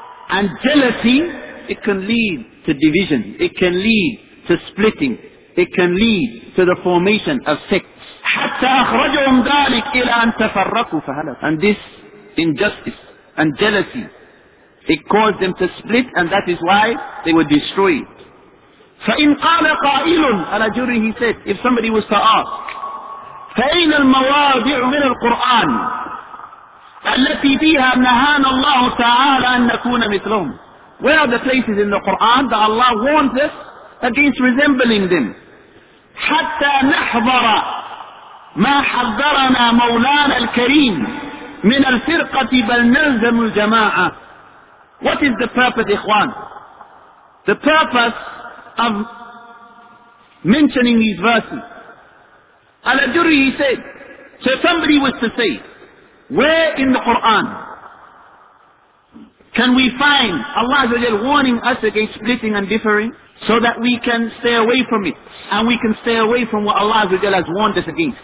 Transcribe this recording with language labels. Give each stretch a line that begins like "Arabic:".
English: And jealousy, it can lead to division, it can lead to splitting, it can lead to the formation of sects.
Arabic: حَتَّى أَخْرَجُهُمْ ذَلِكَ إِلَى أَن تَفَرَّقُوا فَهَلَكُوا.
English: And this injustice and jealousy, it caused them to split, and that is why they were destroyed.
Arabic: فَإِنْ قَالَ قَائِلٌ عَلَى جُرِي,
English: he said, if somebody was to ask,
Arabic: فَأَيْنَ الْمَوَاضِعُ مِنَ الْقُرْآنِ التي فيها نهانا الله تعالى أن نكون مثلهم.
English: Where are the places in the Quran that Allah warns us against resembling them?
Arabic: حتى نحضر ما حضرنا مولانا الكريم من الفرقة بل نلزم الجماعة.
English: What is the purpose, Ikhwan? The purpose of mentioning these verses. Al-Ajurri, he said, so somebody was to say, where in the Quran can we find Allah warning us against splitting and differing so that we can stay away from it and we can stay away from what Allah has warned us against?